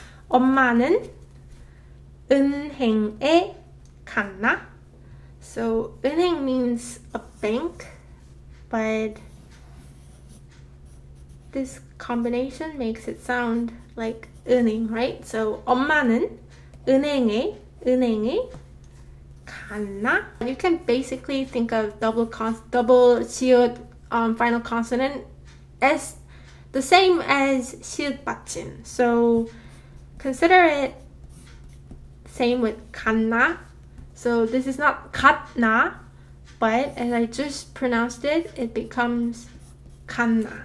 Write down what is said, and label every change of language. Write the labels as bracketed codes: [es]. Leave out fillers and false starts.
[ko] 엄마는 은행에 갔나? [en] So 은행 means a bank, but this combination makes it sound like 은행, right? [ko] So 엄마는 은행에 갔나? [en] You can basically think of double 시옷 final consonant as the same as 시옷 받침. So consider it same with 갔나. So this is not 갔나, but as I just pronounced it, it becomes 갔나.